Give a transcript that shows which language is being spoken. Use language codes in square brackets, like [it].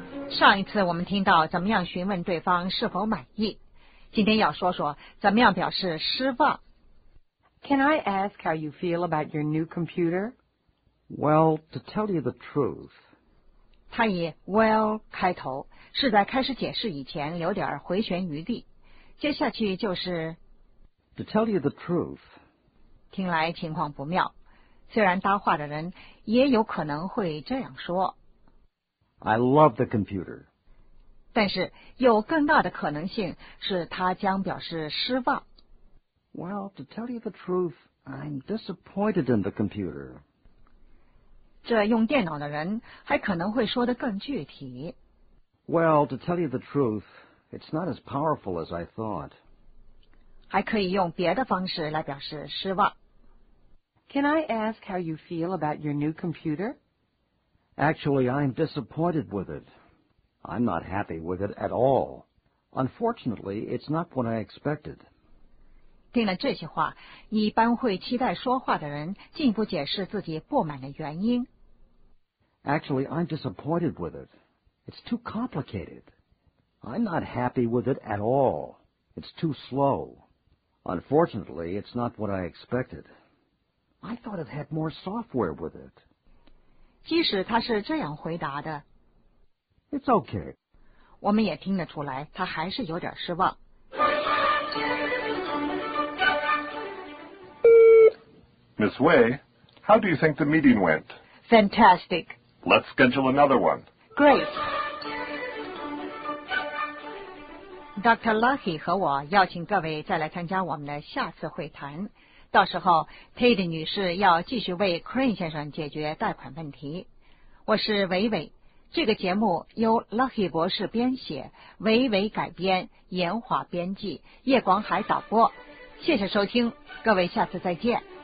[zh] 上一次我们听到怎么样询问对方是否满意，今天要说说怎么样表示失望。 [en] Can I ask how you feel about your new computer? Well, to tell you the truth. [zh] 他以 well 开头，是在开始解释以前留点回旋余地。接下去就是 [en] To tell you the truth. [zh] 听来情况不妙，虽然搭话的人也有可能会这样说。 [en] I love the computer. [zh] 但是有更大的可能性是他将表示失望。 [en] Well, to tell you the truth, I'm disappointed in the computer. [zh] 这用电脑的人还可能会说得更具体。 [en] Well, to tell you the truth, it's not as powerful as I thought. [zh] 还可以用别的方式来表示失望。 [en] Can I ask how you feel about your new computer? Actually, I'm disappointed with it. I'm not happy with it at all. Unfortunately, it's not what I expected. [zh] 听了这些话，一般会期待说话的人进一步解释自己不满的原因。 [en] Actually, I'm disappointed with it. It's too complicated. I'm not happy with it at all. It's too slow. Unfortunately, it's not what I expected. I thought it had more software with it. [zh] 即使他是这样回答的 [en] ，It's okay. [zh] 我们也听得出来，他还是有点失望。 [en] Miss Wei, how do you think the meeting went? Fantastic. Let's schedule another one. Great. Dr. [zh] Lucky 和我邀请各位再来参加我们的下次会谈。到时候 ，Tate 女士要继续为 Crane 先生解决贷款问题。我是伟伟，这个节目由 Lucky 博士编写，维维改编，严华编辑，叶广海导播。谢谢收听，各位下次再见。